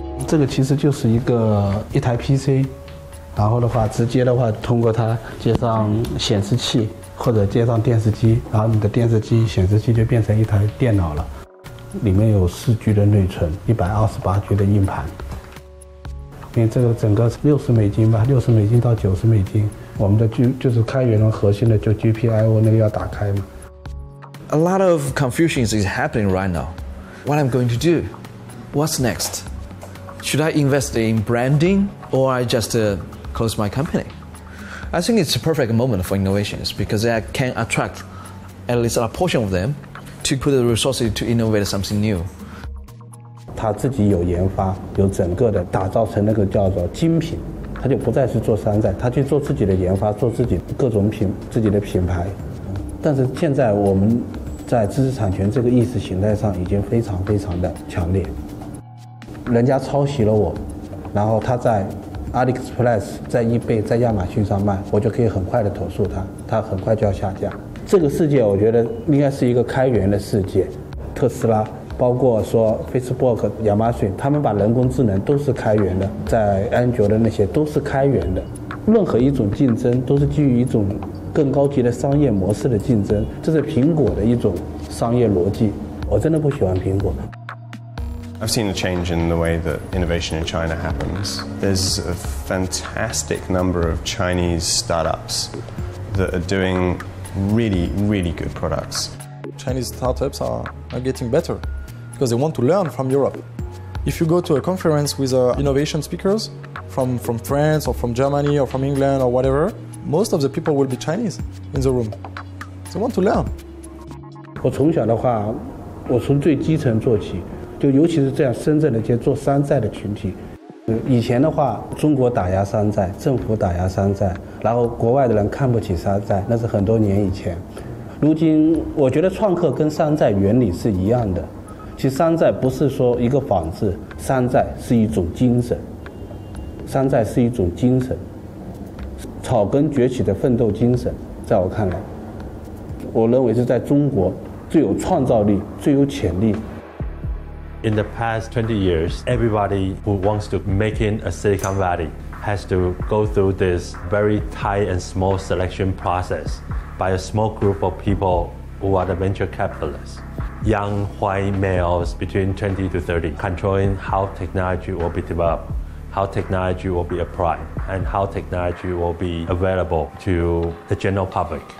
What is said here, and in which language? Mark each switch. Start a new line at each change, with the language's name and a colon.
English: This is actually a PC. And then, directly, connect it to a display or a TV. And your TV display will become a computer. There is 4G RAM, 128G of hard drive.
Chinese: 因为这个整个$60吧，$60到$90，我们的就是开源的核心的就 GPIO 那个要打开嘛。
English: A lot of confusion is happening right now. What I'm going to do? What's next? Should I invest in branding or I just close my company? I think it's a perfect moment for innovations because I can attract at least a portion of them, to put the resources to innovate something new.
Chinese: 他自己有研发，有整个的打造成那个叫做精品，他就不再是做山寨，他去做自己的研发，做自己各种品，自己的品牌。但是现在我们在知识产权这个意识形态上已经非常非常的强烈。人家抄袭了我，然后他在 AliExpress、在 eBay、在亚马逊上卖，我就可以很快的投诉他，他很快就要下架。这个世界我觉得应该是一个开源的世界，特斯拉。包括说 Facebook、亚马逊，他们把人工智能都是开源的，在安卓的那些都是开源的。任何一种竞争都是基于一种更高级的商业模式的竞争，这是苹果的一种商业逻辑。我真的不喜欢苹果。
English: I've seen a change in the way that innovation in China happens. There's a fantastic number of Chinese startups that are doing really, really good products. Chinese startups are getting better. Because they want to learn from Europe. If you go to a conference with innovation speakers from France or from Germany or from England or whatever, most of the people will be Chinese in the room. They want to learn.
Chinese: 我从小的话，我从最基层做起，就尤其是这样深圳的一些做山寨的群体。以前的话，中国打压山寨，政府打压山寨，然后国外的人看不起山寨，那是很多年以前。如今，我觉得创客跟山寨原理是一样的。其实山寨不是说一个仿制，山寨是一种精神，山寨是一种精神，草根崛起的奋斗精神。在我看来，我认为是在中国最有创造力、最有潜力。
English: In the past 20 years, everybody who wants to make in a Silicon Valley has to go through this very tight and small selection process by a small group of people who are the venture capitalists. Young white males between 20 to 30 controlling how technology will be developed, how technology will be applied, and how technology will be available to the general public.